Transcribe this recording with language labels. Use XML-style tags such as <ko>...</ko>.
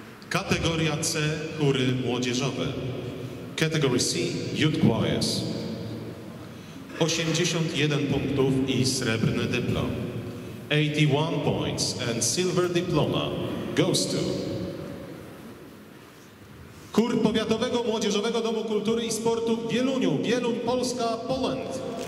<pl>Kategoria C, chóry młodzieżowe.</pl> <en>Category C, youth choirs.</en> <pl>81 punktów i srebrny dyplom.</pl> <en>81 points and silver diploma goes to Chór Powiatowego Młodzieżowego Domu Kultury i Sportu w Wieluniu, Wieluń, Polska, Poland.</en>